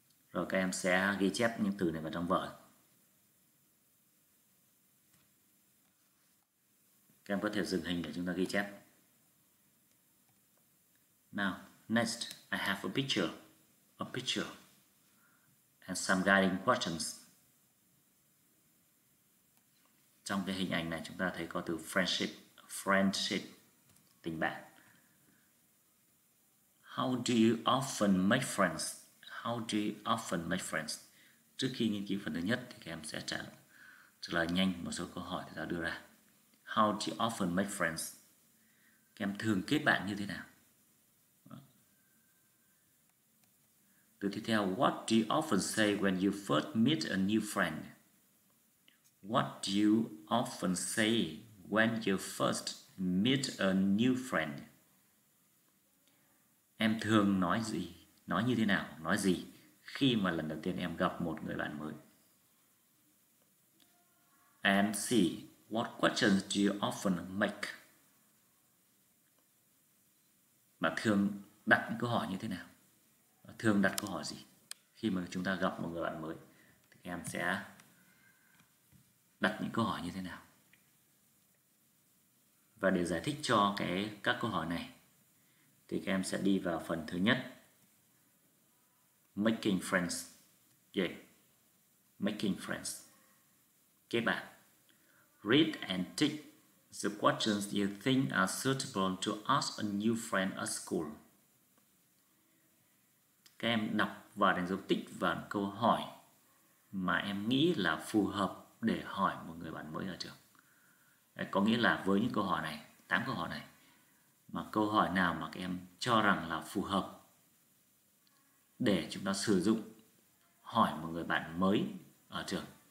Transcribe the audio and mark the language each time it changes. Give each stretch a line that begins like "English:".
Vietnamese: Rồi các em sẽ ghi chép những từ này vào trong vở. Các em có thể dừng hình để chúng ta ghi chép.
English: Now, next, I have a picture, and some guiding questions.
Vietnamese: Trong cái hình ảnh này, chúng ta thấy có từ friendship, friendship, tình bạn.
English: How do you often make friends? How do you often make friends?
Vietnamese: Trước khi nghiên cứu phần thứ nhất, thì các em sẽ trả lời nhanh một số câu hỏi thầy giáo đưa ra.
English: How do you often make friends?
Vietnamese: Các em thường kết bạn như thế nào? Từ tiếp theo,
English: what do you often say when you first meet a new friend? What do you often say when you first meet a new friend?
Vietnamese: Em thường nói gì, nói như thế nào, nói gì khi mà lần đầu tiên em gặp một người bạn mới?
English: And C, what questions do you often make?
Vietnamese: Mà thường đặt những câu hỏi như thế nào? Thường đặt câu hỏi gì khi mà chúng ta gặp một người bạn mới, thì các em sẽ đặt những câu hỏi như thế nào. Và để giải thích cho các câu hỏi này, thì các em sẽ đi vào phần thứ nhất, making friends.
English: Yeah. Making friends,
Vietnamese: kết bạn.
English: Read and tick the questions you think are suitable to ask a new friend at school.
Vietnamese: Các em đọc và đánh dấu tích vào câu hỏi mà em nghĩ là phù hợp để hỏi một người bạn mới ở trường. Đấy, có nghĩa là với những câu hỏi này, 8 câu hỏi này, mà câu hỏi nào mà các em cho rằng là phù hợp để chúng ta sử dụng hỏi một người bạn mới ở trường.